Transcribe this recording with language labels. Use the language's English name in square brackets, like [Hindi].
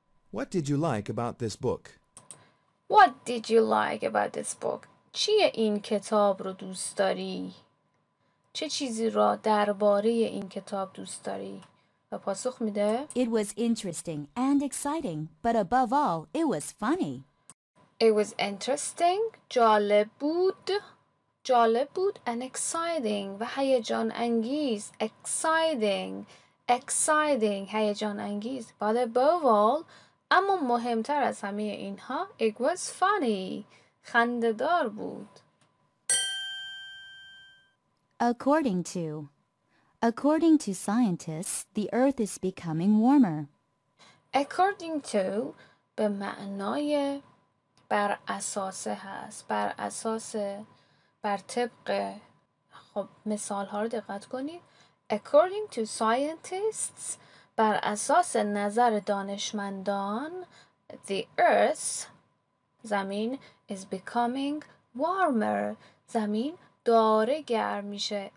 [English] What did you like about this book? What did you like about this book? [Persian] چیه این کتاب رو دوست داری؟ چه چیزی را درباره این کتاب دوست داری؟ و پاسخ میده؟ [English] It was interesting and exciting, but above all, it was funny. It was interesting، [Persian] جالب بود. جالب بود [English] and exciting [Persian] و هیجان انگیز. Exciting هیجان انگیز. [English] But above all [Persian] اما مهمتر از همه اینها [English] it was funny [Persian] خنددار بود. [English] According to scientists the earth is becoming warmer. According to [Persian] به معنای بر اساس هست. بر اساس بر طبق خب مثال ها رو دقت کنید. [English] According to scientists [Persian] بر اساس نظر دانشمندان the earth زمین [English] is becoming warmer [Persian] زمین داره گرم میشه.